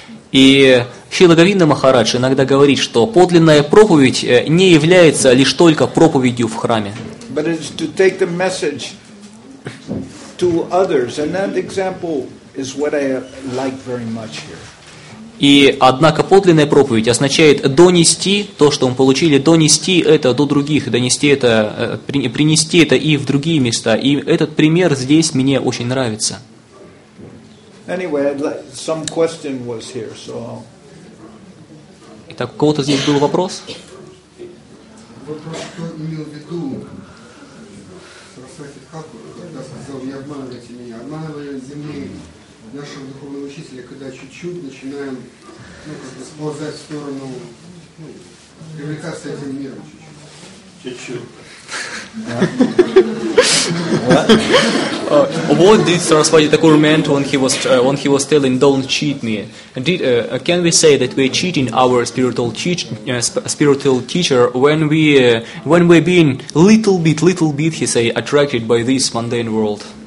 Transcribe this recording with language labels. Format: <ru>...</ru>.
<ru>И Шрила Говинда Махарадж иногда говорит, что подлинная проповедь не является лишь только проповедью в храме.</ru> <en>But it's to take the message to others, and that example is what I like very much here.</en> <ru>И однако подлинная проповедь означает донести то, что мы получили, донести это до других, донести это, принести это и в другие места. И этот пример здесь мне очень нравится.</ru> <en>Anyway, some question was here, so.</en> <ru>Итак, у кого-то здесь был вопрос? Вопрос, кто имел в виду? Когда сказал, не обманывайте меня, обманывая земли. Нашего духовного учителя, когда чуть-чуть начинаем сползать в сторону, привлекаться этим миром чуть-чуть.</ru> <en>What did Saraswati Thakur meant when he was telling, "Don't cheat me"? Can we say that we are cheating our spiritual teacher when we are being little bit, he say, attracted by this mundane world?</en>